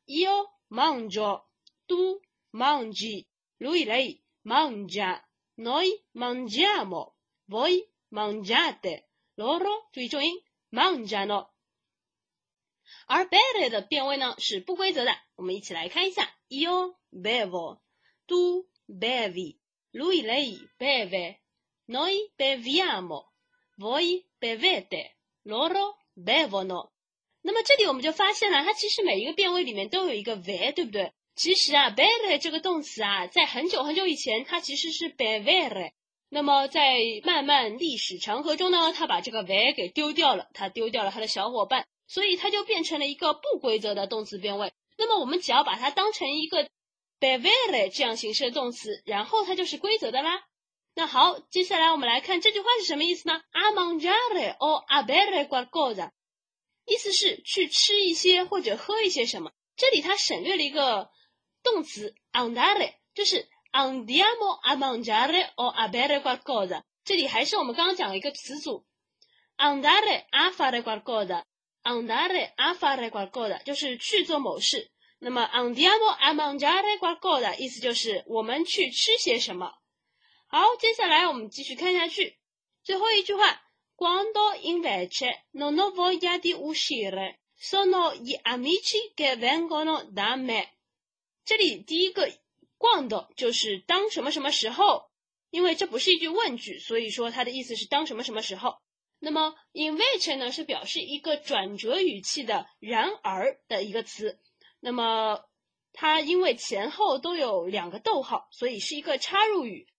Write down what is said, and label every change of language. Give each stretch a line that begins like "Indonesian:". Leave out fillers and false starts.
Italian: io mangio， tu mangi， lui lei mangia， noi mangiamo， voi mangiate， loro，
Chinese: 注意重音
Italian: mangiano。
Chinese: 而 bere 的变位呢是不规则的，我们一起来看一下。
Italian: io bevo， tu bevi， lui lei beve， noi beviamo， voi bevete， loro bevono。
Chinese: 那么这里我们就发现了，它其实每一个变位里面都有一个 ve， 对不对？其实啊 bere 这个动词啊，在很久很久以前它其实是 bevere， 那么在漫漫历史长河中呢，它把这个 ve 给丢掉了，它丢掉了它的小伙伴，所以它就变成了一个不规则的动词变位。那么我们只要把它当成一个 bevere 这样形式的动词，然后它就是规则的啦。那好，接下来我们来看这句话是什么意思呢？
Italian: a mangiare o a bere qualcosa，
Chinese: 意思是去吃一些或者喝一些什么。这里它省略了一个动词 andare， 就是
Italian: andiamo a mangiare o a bere qualcosa。
Chinese: 这里还是我们刚刚讲的一个词组
Italian: andare a fare qualcosa，
Chinese: andare a fare qualcosa 就是去做某事。那么
Italian: andiamo a mangiare qualcosa
Chinese: 意思就是我们去吃些什么。好，接下来我们继续看下去，最后一句话
Italian: quando invece non ho voglia di uscire sono gli amici che vengono da me。
Chinese: 这里第一个 quando 就是当什么什么时候，因为这不是一句问句，所以说它的意思是当什么什么时候。那么 invece 呢，是表示一个转折语气的然而的一个词，那么它因为前后都有两个逗号，所以是一个插入语。